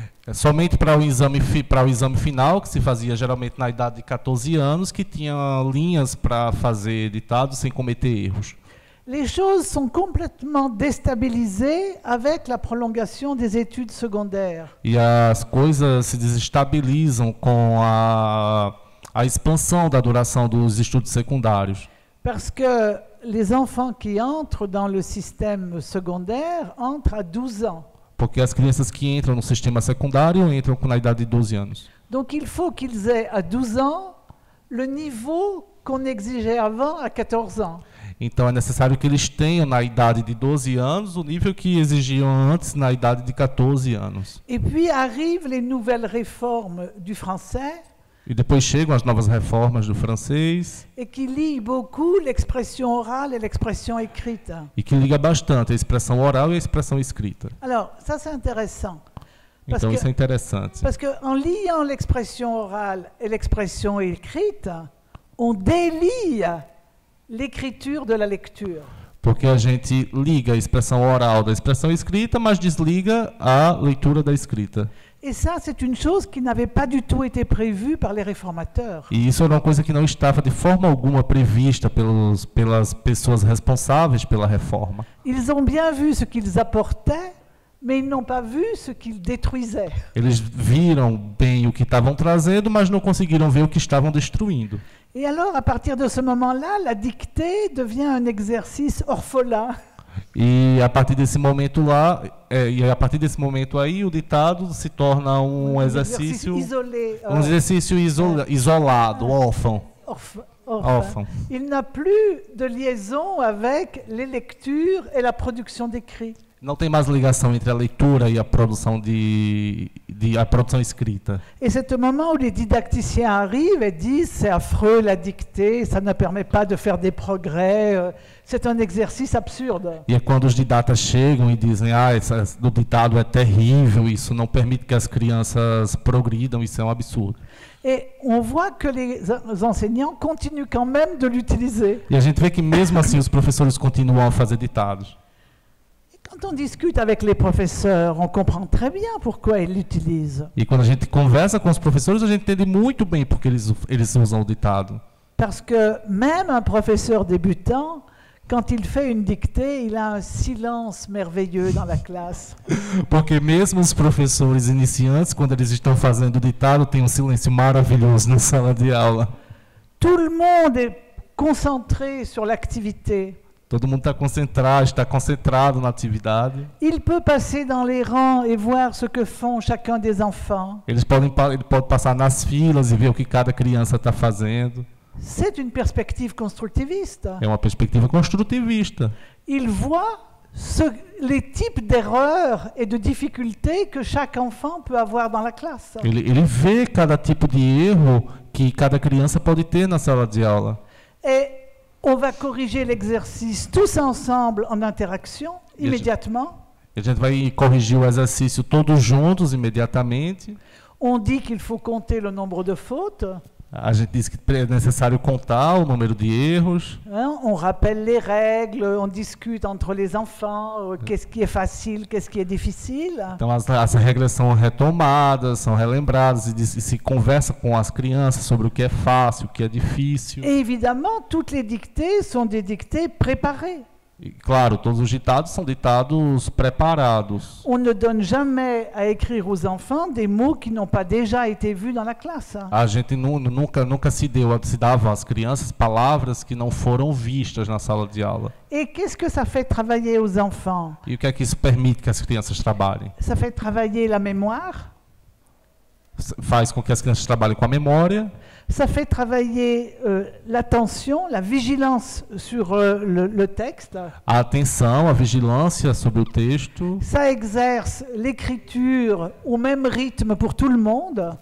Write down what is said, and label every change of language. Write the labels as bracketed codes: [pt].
[pt] É somente para o exame final, que se fazia geralmente na idade de 14 anos, que tinha linhas para fazer ditado sem cometer erros. [fr] Les choses sont complètement déstabilisées avec la prolongation des études secondaires. [pt] E as coisas se desestabilizam com a expansão da duração dos estudos secundários. [fr] Parce que les enfants qui entrent dans le système secondaire entrent à 12 ans. [pt] Porque as crianças que entram no sistema secundário entram com na idade de 12 anos. [fr] Donc il faut qu'ils aient à 12 ans le niveau qu'on exigeait avant à 14 ans. [pt] Então é necessário que eles tenham na idade de 12 anos o nível que exigiam antes na idade de 14 anos. [fr] Et puis arrivent les nouvelles réformes du français. [pt] E depois chegam as novas reformas do francês. [fr] Et qui lie beaucoup l'expression orale et l'expression écrite. [pt] E que liga bastante a expressão oral e a expressão escrita. [fr] Alors, ça c'est intéressant. [pt] Então isso é interessante. [fr] Parce que en liant l'expression orale et l'expression écrite, on délie l'écriture de la lecture. [pt] Porque a gente liga a expressão oral da expressão escrita, mas desliga a leitura da escrita. [fr] Et ça, c'est une chose qui n'avait pas du tout été prévue par les réformateurs. [pt] E isso era uma coisa que não estava de forma alguma prevista pelas pessoas responsáveis pela reforma. [fr] Ils ont bien vu ce qu'ils apportaient, mais ils n'ont pas vu ce qu'ils détruisaient. [pt] Eles viram bem o que estavam trazendo, mas não conseguiram ver o que estavam destruindo. [fr] Et alors, à partir de ce moment-là, la dictée devient un exercice orphelin. [pt] E a partir desse momento lá, a partir desse momento aí, o ditado se torna um exercício [fr] isolé, [pt] isolado, órfão. Órfão. [fr] Il n'a plus de liaison avec les lectures et la production d'écrit. [pt] Não tem mais ligação entre a leitura e a produção a produção escrita. [fr] Et c'est au moment où les didacticiens arrivent et disent c'est affreux la dictée, ça ne permet pas de faire des progrès, c'est un exercice absurde. [pt] E é quando os didatas chegam e dizem o ditado é terrível, isso não permite que as crianças progridam, isso é um absurdo. [fr] Et on voit que les enseignants continuent quand même de l'utiliser. [pt] E a gente vê que mesmo assim os professores continuam a fazer ditados. [fr] Quand on discute avec les professeurs, on comprend très bien pourquoi ils l'utilisent. [pt] E quando a gente conversa com os professores, a gente entende muito bem porque eles usam o ditado. [fr] Parce que même un professeur débutant, quand il fait une dictée, il a un silence merveilleux dans la classe. [pt] Porque mesmo os professores iniciantes, quando eles estão fazendo o ditado, tem um silêncio maravilhoso na sala de aula. [fr] Tout le monde est concentré sur l'activité. [pt] Todo mundo está concentrado na atividade. [fr] Il peut passer dans les rangs et voir ce que font chacun des enfants. [pt] Ele pode passar nas filas e ver o que cada criança está fazendo. [fr] C'est une perspective constructiviste. [pt] É uma perspectiva construtivista. [fr] Il voit les types d'erreurs et de difficultés que chaque enfant peut avoir dans la classe. [pt] Ele vê cada tipo de erro que cada criança pode ter na sala de aula. [fr] Et on va corriger l'exercice tous ensemble en interaction immédiatement. [pt] A gente vai corrigir o exercício todos juntos imediatamente. [fr] On dit qu'il faut compter le nombre de fautes. [pt] A gente diz que é necessário contar o número de erros. [fr] On rappelle les règles, on discute entre les enfants, qu'est-ce qui est facile, qu'est-ce qui est difficile. [pt] Então as regras são retomadas, são relembradas e se conversa com as crianças sobre o que é fácil, o que é difícil. [fr] Et évidemment, toutes les dictées sont des dictées préparées. [pt] Claro, todos os ditados são ditados preparados. [fr] On ne donne jamais à écrire aux enfants des mots qui n'ont pas déjà été vus dans la classe. [pt] A gente nunca se dava às crianças palavras que não foram vistas na sala de aula. [fr] Et qu'est-ce que ça fait travailler aux enfants? [pt] E o que é que isso permite que as crianças trabalhem? [fr] Ça fait travailler la mémoire. [pt] Faz com que as crianças trabalhem com a memória. [fr] Ça fait travailler l'attention, la vigilance sur le texte. [pt] A atenção, a vigilância sobre o texto. [fr] Ça exerce l'écriture au même rythme pour tout le monde.